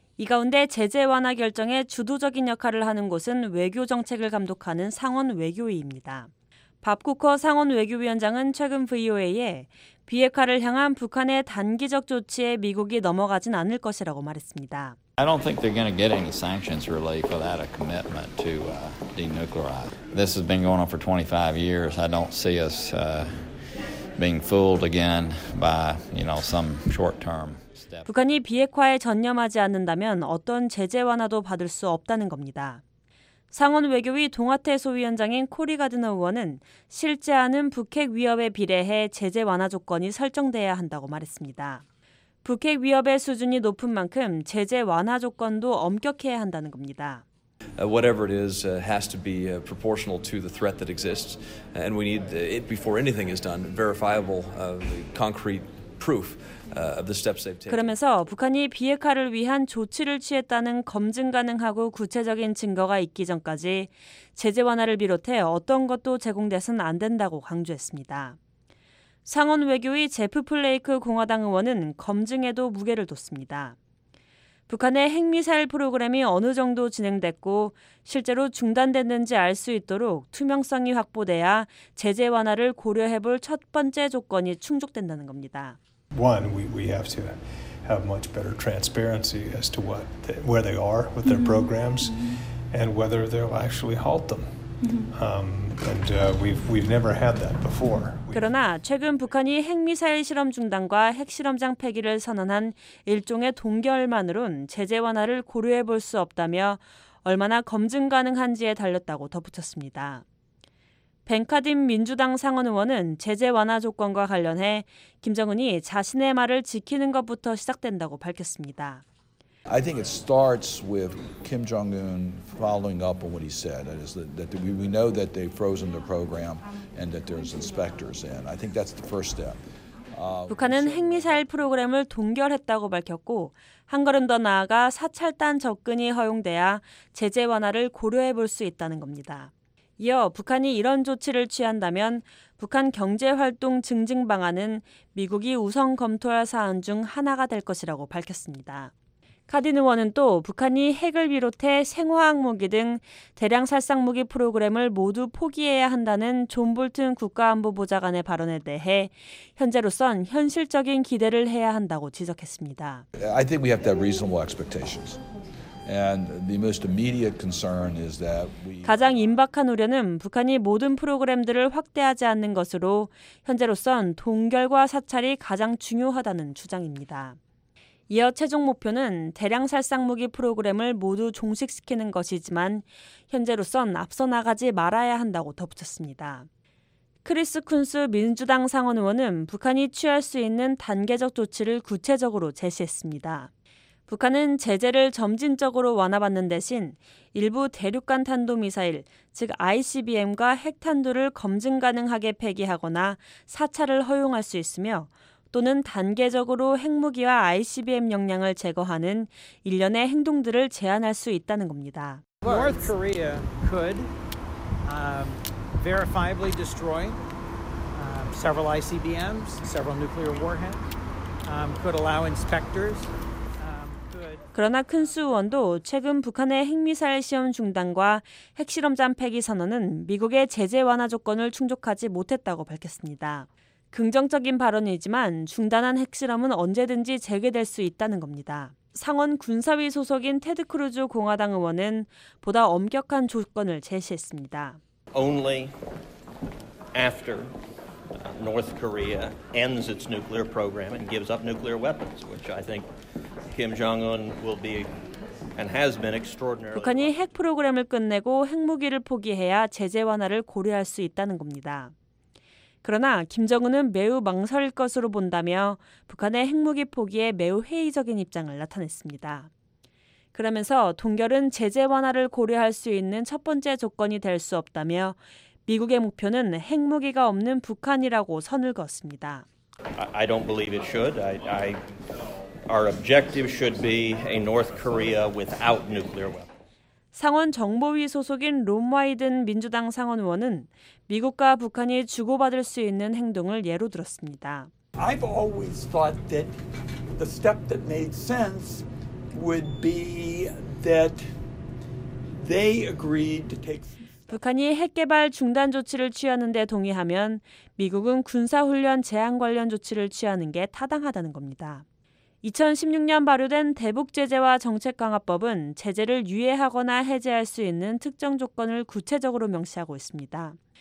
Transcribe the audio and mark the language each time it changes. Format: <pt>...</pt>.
<ko>이 가운데 제재 완화 결정에 주도적인 역할을 하는 곳은 외교정책을 감독하는 상원 외교위입니다. 밥 쿠커 상원 외교위원장은 최근 VOA에 비핵화를 향한 북한의 단기적 조치에 미국이 넘어가진 않을 것이라고 말했습니다.</ko> <en>I don't think they're going to get any sanctions relief without a commitment to denuclearize. This has been going on for 25 years. I don't see us being fooled again by, you know, some short-term step.</en> <ko>북한이 비핵화에 전념하지 않는다면 어떤 제재 완화도 받을 수 없다는 겁니다. 상원 외교위 동아태 소위원장인 코리 가드너 의원은 실제하는 북핵 위협에 비례해 제재 완화 조건이 설정돼야 한다고 말했습니다. 북핵 위협의 수준이 높은 만큼 제재 완화 조건도 엄격해야 한다는 겁니다.</ko> <en>Whatever it is has to be proportional to the threat that exists and we need it before anything is done verifiable concrete proof of the steps they've taken.</en> <ko>그러면서 북한이 비핵화를 위한 조치를 취했다는 검증 가능하고 구체적인 증거가 있기 전까지 제재 완화를 비롯해 어떤 것도 제공돼선 안 된다고 강조했습니다. 상원 외교위 제프 플레이크 공화당 의원은 검증에도 무게를 뒀습니다. 북한의 핵미사일 프로그램이 어느 정도 진행됐고 실제로 중단됐는지 알 수 있도록 투명성이 확보돼야 제재 완화를 고려해볼 첫 번째 조건이 충족된다는 겁니다.</ko> <en>One, we have to have much better transparency as to what where they are with their programs and whether they'll actually halt them. We've never had that before.</en> <ko>그러나 최근 북한이 핵미사일 실험 중단과 핵실험장 폐기를 선언한 일종의 동결만으론 제재 완화를 고려해 볼 수 없다며 얼마나 검증 가능한지에 달렸다고 덧붙였습니다. 벤카딘 민주당 상원 의원은 제재 완화 조건과 관련해 김정은이 자신의 말을 지키는 것부터 시작된다고 밝혔습니다.</ko> <en>I think it starts with Kim Jong-un following up on what he said. That is that we know that they've frozen their program and that there's inspectors in. I think that's the first step.</en> <ko>북한은 핵미사일 프로그램을 동결했다고 밝혔고 한 걸음 더 나아가 사찰단 접근이 허용돼야 제재 완화를 고려해 볼 수 있다는 겁니다. 이어 북한이 이런 조치를 취한다면 북한 경제활동 증진 방안은 미국이 우선 검토할 사안 중 하나가 될 것이라고 밝혔습니다. 카딘 의원은 또 북한이 핵을 비롯해 생화학 무기 등 대량 살상 무기 프로그램을 모두 포기해야 한다는 존 볼튼 국가안보보좌관의 발언에 대해 현재로선 현실적인 기대를 해야 한다고 지적했습니다.</ko> <en>I think we have to have reasonable expectations. And the most immediate concern is that we</en> <ko>가장 임박한 우려는 북한이 모든 프로그램들을 확대하지 않는 것으로 현재로선 동결과 사찰이 가장 중요하다는 주장입니다. 이어 최종 목표는 대량 살상무기 프로그램을 모두 종식시키는 것이지만 현재로선 앞서 나가지 말아야 한다고 덧붙였습니다. 크리스 쿤스 민주당 상원 의원은 북한이 취할 수 있는 단계적 조치를 구체적으로 제시했습니다. 북한은 제재를 점진적으로 완화받는 대신 일부 대륙간 탄도미사일, 즉 ICBM과 핵탄두를 검증 가능하게 폐기하거나 사찰을 허용할 수 있으며 또는 단계적으로 핵무기와 ICBM 역량을 제거하는 일련의 행동들을 제한할 수 있다는 겁니다.</ko> <en>North Korea could verifiably destroy several ICBMs, several nuclear warheads, could allow inspectors.</en> <ko>그러나 큰수 의원도 최근 북한의 핵미사일 시험 중단과 핵실험장 폐기 선언은 미국의 제재 완화 조건을 충족하지 못했다고 밝혔습니다. 긍정적인 발언이지만 중단한 핵실험은 언제든지 재개될 수 있다는 겁니다. 상원 군사위 소속인 테드 크루즈 공화당 의원은 보다 엄격한 조건을 제시했습니다.</ko> <en>Only after North Korea ends its nuclear program and gives up nuclear weapons, which I think Kim Jong-un will be and has been extraordinarily.</en> <ko>북한이 핵 프로그램을 끝내고 핵무기를 포기해야 제재 완화를 고려할 수 있다는 겁니다. 그러나 김정은은 매우 망설일 것으로 본다며 북한의 핵무기 포기에 매우 회의적인 입장을 나타냈습니다. 그러면서 동결은 제재 완화를 고려할 수 있는 첫 번째 조건이 될 수 없다며 미국의 목표는 핵무기가 없는 북한이라고 선을 그었습니다.</ko> <en>I don't believe it should. Our objective should be a North Korea without nuclear weapons.</en> <ko>상원 정보위 소속인 롬 와이든 민주당 상원 의원은 미국과 북한이 주고받을 수 있는 행동을 예로 들었습니다.</ko> <en>I've always thought that the step that made sense would be that they agreed to take.</en> <ko>북한이 핵 개발 중단 조치를 취하는 데 동의하면 미국은 군사 훈련 제한 관련 조치를 취하는 게 타당하다는 겁니다. 2016년 발효된 대북 제재와 정책 강화법은 제재를 유예하거나 해제할 수 있는 특정 조건을 구체적으로 명시하고 있습니다.</ko>